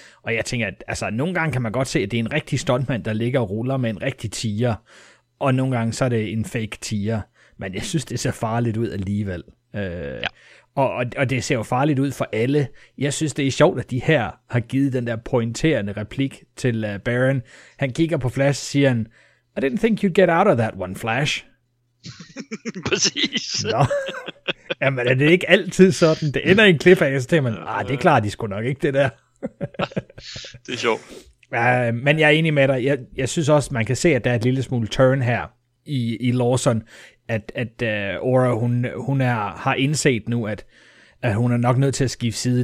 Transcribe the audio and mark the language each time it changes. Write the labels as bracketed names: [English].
[Danish] Og jeg tænker, at altså, nogle gange kan man godt se, at det er en rigtig stuntmand, der ligger og ruller med en rigtig tiger. Og nogle gange så er det en fake tiger. Men jeg synes, det ser farligt ud alligevel. Ja. Og det ser jo farligt ud for alle. Jeg synes, det er sjovt, at de her har givet den der pointerende replik til Baron. Han kigger på Flash og siger, [English] I didn't think you'd get out of that one, Flash. [Danish] Præcis. Nå. Jamen, er det ikke altid sådan? Det ender i en cliffhanger, så tænker man, ah, det er klart, de skulle nok ikke det der. Det er sjovt. Men jeg er enig med dig. Jeg synes også, man kan se, at der er et lille smule turn her i Lawson, at Aura, hun er, har indset nu, at hun er nok nødt til at skifte side.